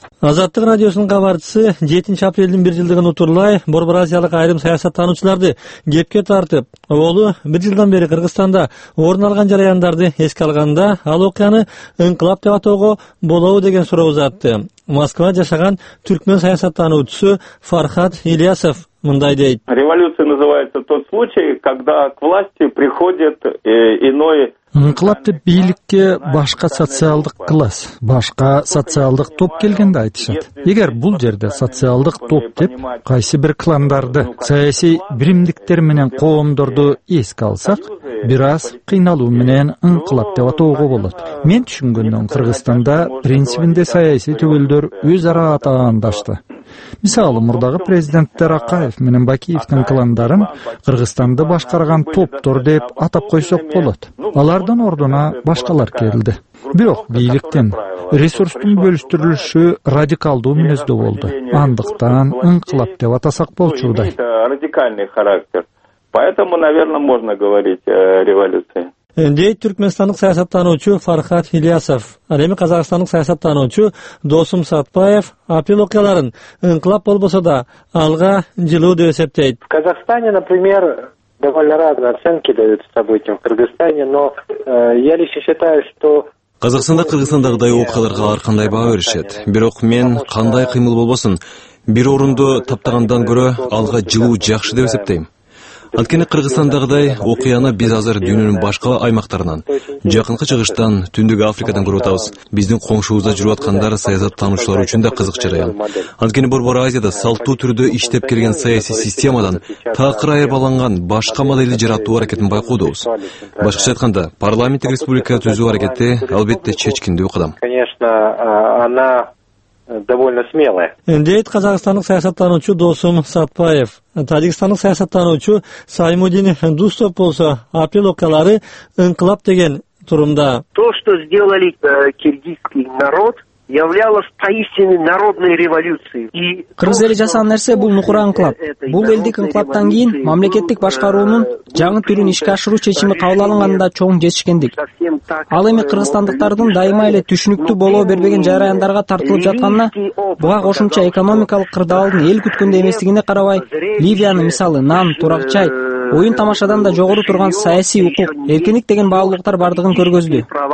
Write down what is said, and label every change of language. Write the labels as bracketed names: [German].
[Kyrgyz] Азаттык радиосунун кабарчысы 7 апрелдин бир жылдыгын утурлай Борбор Азиялык айрым саясат таануучуларды кепке тартып, оолу бир жылдан бери Кыргызстанда орун алган жараяндарды эске алганда ал окуяны ынкылап деп атоого болобу деген суроо узатты. Москвада жашаган түркмөн саясат таануучусу Фархат Ильясов мындай дейт. [Russian] Революция называется тот случай, когда к власти приходит иной. [Kyrgyz] Ынкылап деп бийликке башка социалдык класс, башка социалдык топ келгенде айтышат. Эгер бул жерде социалдык топ деп кайсы бир кландарды, саясий биримдиктер менен коомдорду эске алсак, бир аз кыйналуу менен ынкылап деп атоого болот. Мен түшүнгөндөн Кыргызстанда принцибинде саясий түгөлдөр өз ара атаандашты. Мисалы, мурдагы президенттер Акаев менен Бакиевдин кландарын Кыргызстанды башкарган топтор деп атап койсок болот. Алардын ордуна башкалар келди. Бирок бийликтен ресурстун бөлүштүрүлүшү радикалдуу мүнөздүү болду. Андыктан ынкылап деп атасак болчу да. [Russian] Радикальный характер. Поэтому, наверное, можно говорить о революции. [Kyrgyz] Дейт түркмөнстандык саясаттануучу Фархат Ильясов. Ал эми казакстандык саясаттануучу Досум Сатпаев апрель окуяларын ынкылап болбосо да алга жылуу деп эсептейт. [Russian] В Казахстане, например, довольно разные оценки дают событиям в Кыргызстане, но я лично считаю, что [Kyrgyz] Казахстанда Кыргызстандагыдай окуяларга ар кандай баа беришет. Бирок мен кандай кыймыл болбосун, бир орунду таптагандан көрө алга жылуу жакшы деп эсептейм. Анткени Кыргызстандагыдай окуяны биз азыр дүйнөнүн башка аймактарынан, жакынкы чыгыштан, түндүк Африкадан көрүп атабыз. Биздин коңшубузда жүрүп аткандар саясат таануучулар үчүн да кызык жараян. Анткени Борбор Азияда салттуу түрдө иштеп келген саясий системадан такыр айырбаланган башка моделди жаратуу аракетин байкоодобуз. Башкача айтканда, парламенттик республика түзүү аракети албетте чечкиндүү кадам. [Russian] Конечно, она довольно смелая. [Kyrgyz] Дейт казакстандык саясаттануучу Досум Сатпаев. Тажикстандык саясаттануучу Саймудин Дустов болсо апрель окуялары ынкылап деген турумда. [Russian] То, что сделали киргизский народ, являлось поистине народной революцией. [Kyrgyz] Кыргыз эли жасаган нерсе бул нукура ынкылап. Бул элдик ынкылаптан кийин мамлекеттик башкаруунун жаңы түрүн ишке ашыруу чечими кабыл алынганда чоң жетишкендик. Ал эми кыргызстандыктардын дайыма эле түшүнүктүү боло бербеген жараяндарга тартылып жатканына, буга кошумча экономикалык кырдаалдын эл күткөндөй эместигине карабай, Ливиянын мисалы нан, турак чай, оюн тамашадан да жогору турган саясий укук, эркиндик деген баалуулуктар бардыгын көргөздү.